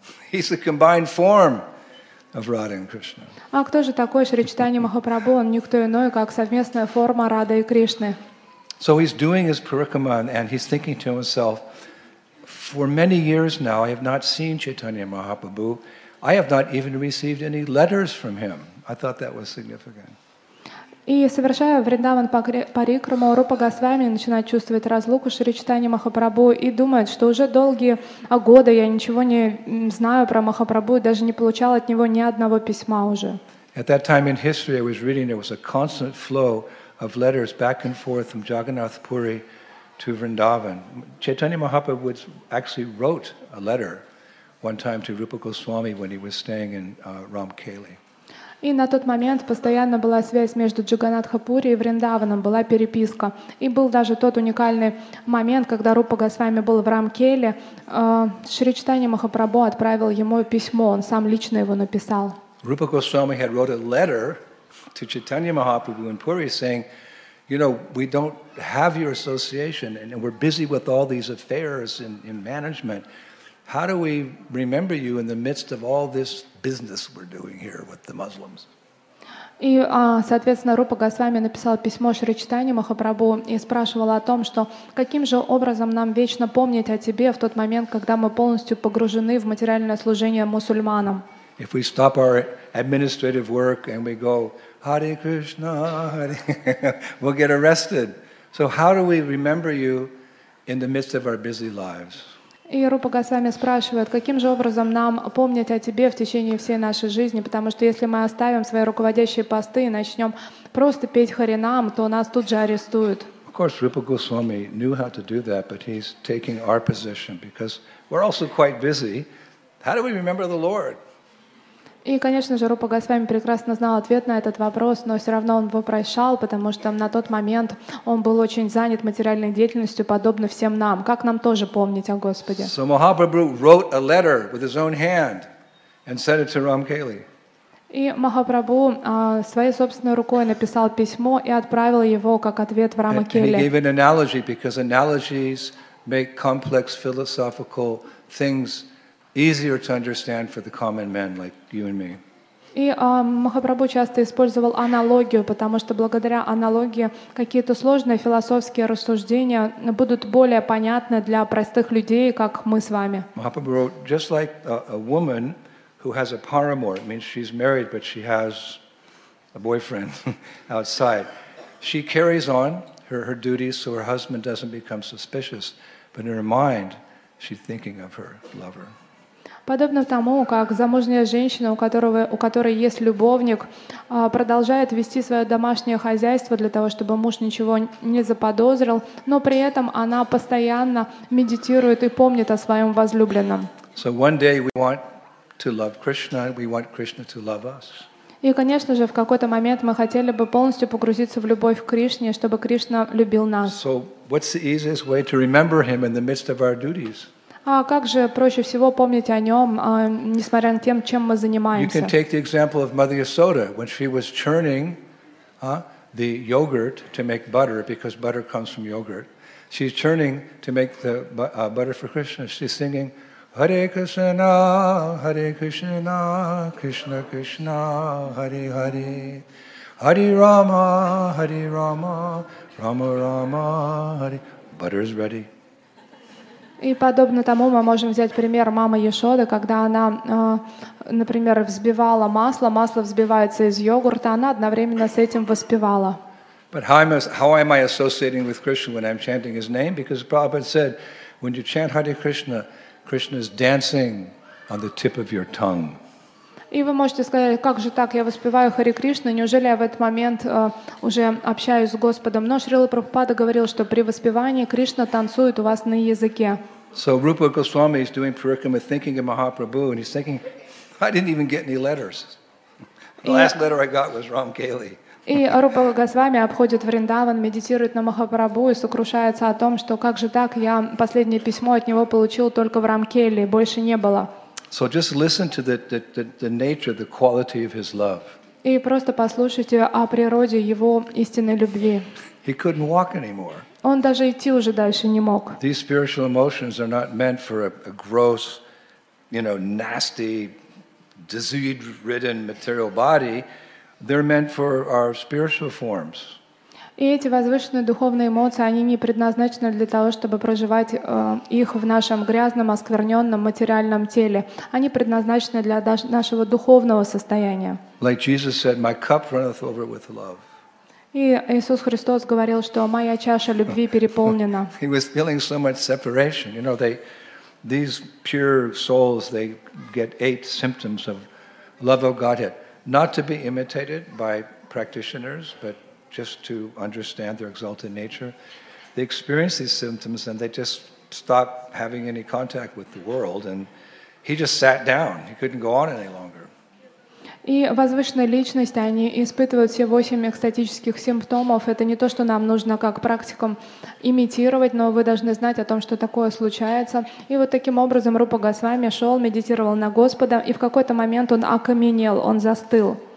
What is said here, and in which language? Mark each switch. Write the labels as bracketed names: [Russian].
[English] He's the combined form of Radha and Krishna. [Russian] А кто же такой Шри Чайтанья Махапрабху? Он никто иной, как совместная форма Рады и Кришны. [English] So he's doing his parikrama and he's thinking to himself, for many years now I have not seen Chaitanya Mahaprabhu. I have not even received any letters from him. I thought that was significant. [Russian] И совершая Вриндаван парикраму, Рупа Госвами начинает чувствовать разлуку Шри Чайтанья Махапрабху и думает, что уже долгие годы я ничего не знаю про Махапрабху и даже не получал от него ни одного письма уже. [English] At that time in history I was reading there was a constant flow of letters back and forth from Jagannath Puri to Vrindavan. Chaitanya Mahaprabhu actually wrote a letter one time to Rupa Goswami when he was staying in Ramkeli. [Russian] И на тот момент постоянно была связь между Джаганатхапури и Вриндаваном, была переписка. И был даже тот уникальный момент, когда Рупа Госвами был в Рамкеле, Шри Чайтанья Махапрабху отправил ему письмо, он сам лично его написал. [English] Rupa Goswami had wrote a letter to Chaitanya Mahaprabhu in Puri saying, you know, we don't have your association and we're busy with all these affairs in management. How do we remember you in the midst of all this business we're doing here with the Muslims? [Russian] И, соответственно, Рупа Госвами написал письмо Шри Чайтанье Махапрабху и спрашивал о том, что каким же образом нам вечно помнить о тебе в тот момент, когда мы полностью погружены в материальное служение мусульманам. [English] If we stop our administrative work and we go, Hare Krishna, Hare, we'll get arrested. So how do we remember you in the midst of our busy lives? [Russian] И Рупа Госвами спрашивает, каким же образом нам помнить о тебе в течение всей нашей жизни, потому что если мы оставим свои руководящие посты и начнем просто петь харинам, то нас тут же арестуют. [English] Of course, Rupa Goswami knew how to do that, but he's taking our position because we're also quite busy. How do we remember the Lord? [Russian] И, конечно же, Рупа Госвами прекрасно знал ответ на этот вопрос, но все равно он вопрошал, потому что на тот момент он был очень занят материальной деятельностью, подобно всем нам. Как нам тоже помнить о Господе? [English] So Mahaprabhu wrote a letter with his own hand and sent it to Ramkeli. [Russian] И Махапрабху своей собственной рукой написал письмо и отправил его как ответ в Рамкеле. [English] And he gave an analogy because analogies make complex philosophical things easier to understand for the common man like you and me. [Russian] И Махапрабху часто использовал аналогию, потому что благодаря аналогии какие-то сложные философские рассуждения будут более понятны для простых людей, как мы с вами. [English] Махапрабху wrote, just like a woman who has a paramour, it means she's married, but she has a boyfriend outside. She carries on her duties so her husband doesn't become suspicious, but in her mind, she's thinking of her lover. [Russian] Подобно тому, как замужняя женщина, у которой есть любовник, продолжает вести свое домашнее хозяйство для того, чтобы муж ничего не заподозрил, но при этом она постоянно медитирует и помнит о своем возлюбленном. [English] So one day we want to love Krishna, we want Krishna to love us. [Russian] И, конечно же, в какой-то момент мы хотели бы полностью погрузиться в любовь к Кришне, чтобы Кришна любил нас. [English] So what's the easiest way to remember him in the midst of our duties? [Russian] А как же проще всего помнить о нем, несмотря на тем, чем мы занимаемся? [English] You can take the example of Mother Yasoda, when she was churning the yogurt to make butter, because butter comes from yogurt. She's churning to make the butter for Krishna. She's singing, Hare Krishna, Hare Krishna, Krishna Krishna, Hare Hare. Hare Rama, Hare Rama, Rama Rama, Hare. Butter is ready. [Russian] И подобно тому мы можем взять пример мамы Яшоды, когда она, например, взбивала масло, масло взбивается из йогурта, она одновременно с этим воспевала. [English] But how am I associating with Krishna when I'm chanting his name? Because Prabhupada said, when you chant Hare Krishna, Krishna is dancing on the tip of your tongue. [Russian] И вы можете сказать, как же так, я воспеваю Хари Кришну, неужели я в этот момент уже общаюсь с Господом? Но Шрила Прабхупада говорил, что при воспевании Кришна танцует у вас на языке. [English] So Rupa Goswami is doing parikrama, thinking of Mahaprabhu, and he's thinking, I didn't even get any letters. The last letter I got was Ram Kaili. [Russian] И Рупа Госвами обходит Вриндаван, медитирует на Махапрабху и сокрушается о том, что как же так, я последнее письмо от него получил только в Рамкели, больше не было. [English] So just listen to the nature, the quality of his love. [Russian] И просто послушайте о природе его истинной любви. [English] He couldn't walk anymore. [Russian] Он даже идти уже дальше не мог. [English] These spiritual emotions are not meant for a gross, you know, nasty, disease-ridden material body. They're meant for our spiritual forms. [Russian] И эти возвышенные духовные эмоции, они не предназначены для того, чтобы проживать их в нашем грязном, оскверненном материальном теле. Они предназначены для нашего духовного состояния. [English] Like Jesus said, my cup runneth over with love. [Russian] И Иисус Христос говорил, что моя чаша любви переполнена. [English] He was feeling so much separation. You know, these pure souls, they get 8 symptoms of love of Godhead. Not to be imitated by practitioners, but just to understand their exalted nature. They experience these symptoms and they just stop having any contact with the world. And he just sat down. He couldn't go on any longer. [Russian] И возвышенные личности, они испытывают все 8 экстатических симптомов. Это не то, что нам нужно как практикам имитировать, но вы должны знать о том, что такое случается. И вот таким образом Рупа Госвами шел, медитировал на Господа, и в какой-то момент он окаменел, он застыл.